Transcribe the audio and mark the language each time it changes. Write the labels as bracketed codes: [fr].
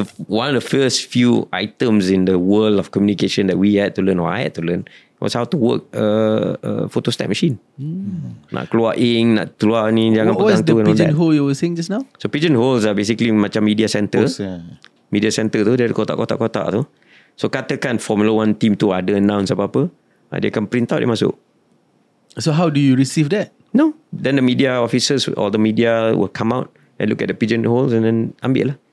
[en] One of the first few items in the world of communication that we had to learn, or I had to learn, was how to work a photostat machine. [ms] Nak keluar ink, nak keluar ni, jangan [en] what [ms] pegang tu. [en] What was the pigeonhole you were saying just now? So pigeonholes are basically macam media center. Post, yeah. [ms] Media center tu, dia ada kotak-kotak-kotak tu. So katakan Formula One team tu ada announce apa-apa, dia akan print out, dia masuk. [en] So how do you receive that? No. Then the media officers or the media will come out and look at the pigeonholes and then ambil lah.